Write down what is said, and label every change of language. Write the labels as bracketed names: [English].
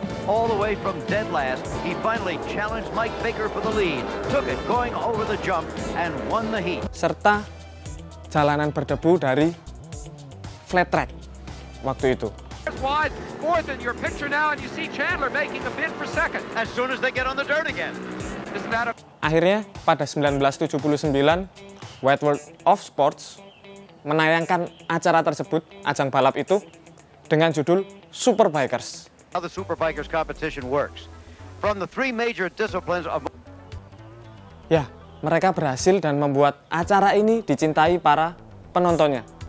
[English] All the way from dead last, he finally challenged Mike Baker for the lead, took it going over the jump and won the heat. [Indonesian] Serta jalanan berdebu dari flat track waktu itu. [English] Wide, fourth in your picture now and you see Chandler making a bid for second as soon as they get on the dirt again. [Indonesian] Akhirnya pada 1979, Wide World of Sports menayangkan acara tersebut, ajang balap itu dengan judul Superbikers. [English] How the Superbikers competition works. From the three major disciplines of... [Indonesian] Ya, mereka berhasil dan membuat acara ini dicintai para penontonnya.